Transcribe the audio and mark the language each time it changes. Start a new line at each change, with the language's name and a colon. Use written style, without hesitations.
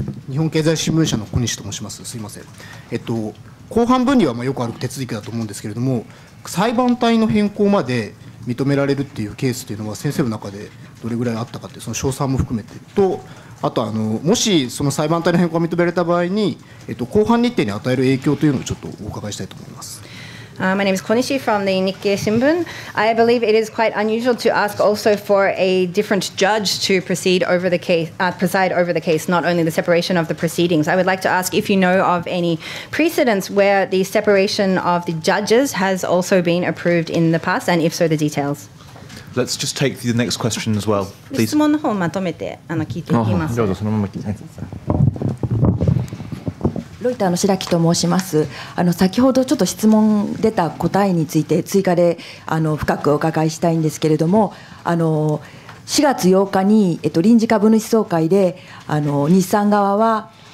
Japanese: 日本経済新聞社の小西と申します。すいません。公判分離はまあよくある手続きだと思うんですけれども、裁判体の変更まで認められるっていうケースというのは、先生の中でどれぐらいあったかっていう、その詳細も含めてと、あと、もしその裁判体の変更が認められた場合に、公判日程に与える影響というのをちょっとお伺いしたいと思います。
English: My name is Konishi from the Nikkei Shimbun. I believe it is quite unusual to ask also for a different judge to proceed over the case, preside over the case, not only the separation of the proceedings. I would like to ask if you know of any precedents where the separation of the judges has also been approved in the past, and if so, the details. Let's just take the next question as well, please.
Japanese: 質問の方をまとめて聞いていきます。どうぞそのまま聞いてください。ロイターの白木と申します。先ほどちょっと質問出た答えについて追加で深くお伺いしたいんですけれども、4月8日に臨時株主総会で日産側は